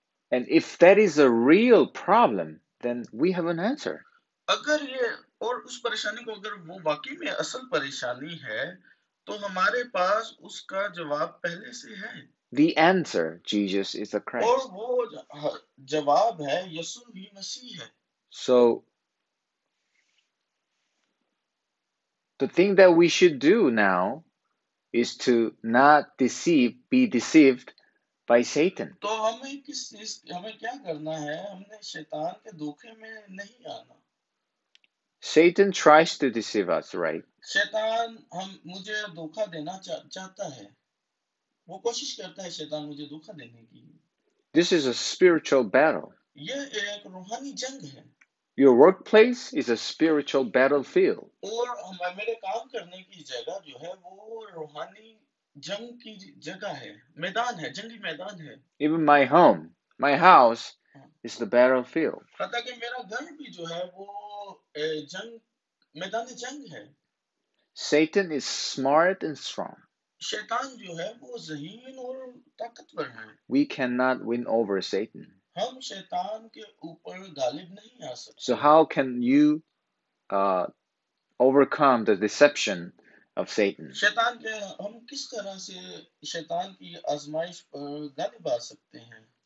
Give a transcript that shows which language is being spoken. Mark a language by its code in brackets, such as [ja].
[en] And if that is a real problem, then we have an answer. [hi] अगर ये, और उस परेशानी को अगर वो वाकई में असल परेशानी है, तो हमारे पास उसका जवाब पहले से है। [en] The answer, Jesus, is the [hi] और [en] Christ. [hi] वो जवाब है, यीशु ही मसीह है। [en] So, the thing that we should do now is to not be deceived by Satan. [hi] तो हमें किस चीज, हमें क्या करना है? हमने शैतान के धोखे में नहीं आना। [en] Satan tries to deceive us, right? [hi] शैतान हम मुझे धोखा देना चाहता है। वो कोशिश करता है शैतान मुझे धोखा देने की। [en] This is a spiritual battle. [hi] यह एक रूहानी जंग है। [en] Your workplace is a spiritual battlefield. [hi] और हमें, मेरे काम करने की जगह जो है वो रूहानी जंग की जगह है, मैदान है, जंगी मैदान है। [en] Even my home, my house is the battlefield. [hi] पता कि मेरा घर भी जो है वो जंग मैदान जंग है। [en] Satan is smart and strong. [hi] शैतान जो है वो जहीन और ताकतवर है। [en] We cannot win over Satan. [hi] हम शैतान के ऊपर गालिब नहीं आ [en] So [hi] सकते। [en] how can you overcome the deception of Satan? [hi] शैतान के, हम किस तरह से शैतान की आजमाइश पर गालिब आ सकते हैं?